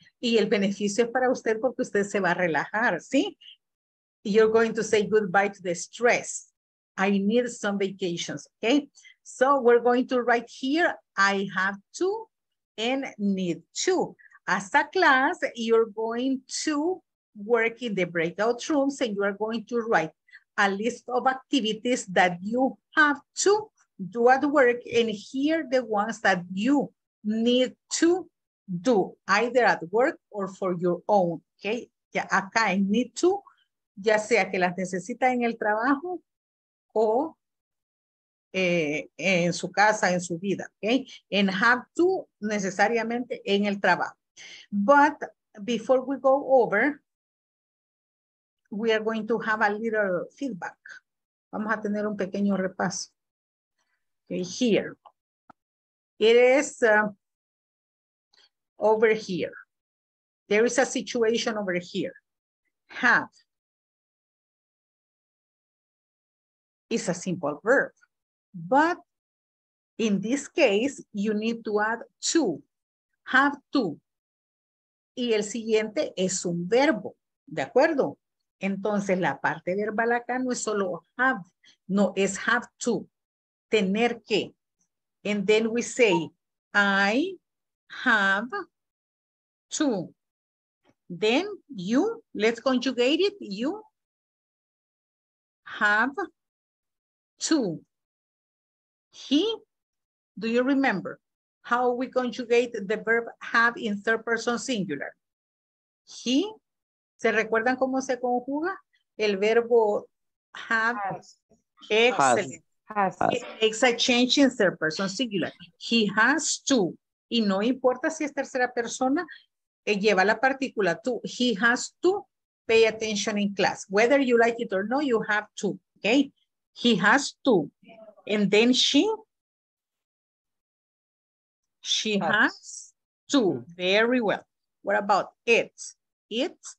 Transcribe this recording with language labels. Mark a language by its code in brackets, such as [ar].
[es] Y el beneficio es para usted porque usted se va a relajar, ¿sí? [en] You're going to say goodbye to the stress. I need some vacations, okay? So we're going to write here, I have to and need to. As a class, you're going to work in the breakout rooms and you are going to write a list of activities that you have to do at work and here the ones that you need to do either at work or for your own, okay? [es] Yeah, acá [en] I need to, [es] ya sea que las necesita en el trabajo o en su casa, en su vida, okay? [en] And have to [es] necesariamente en el trabajo. [en] But before we go over, we are going to have a little feedback. [es] Vamos a tener un pequeño repaso. [en] Okay, here. It is over here. There is a situation over here. Have. is a simple verb. But in this case, you need to add to, have to. [es] Y el siguiente es un verbo, ¿de acuerdo? Entonces, la parte verbal acá no es solo have, no, es have to, tener que. [en] And then we say, I have to. Then you, let's conjugate it, you have to. He, do you remember how we conjugate the verb have in third person singular? [es] He, ¿se recuerdan cómo se conjuga? El verbo have. Excellent. [en] Has. It makes a change in third person singular. He has to. [es] Y no importa si es tercera persona, lleva la partícula to. [en] He has to pay attention in class. Whether you like it or not, you have to. Okay? He has to. And then she has to. Very well. What about it? It?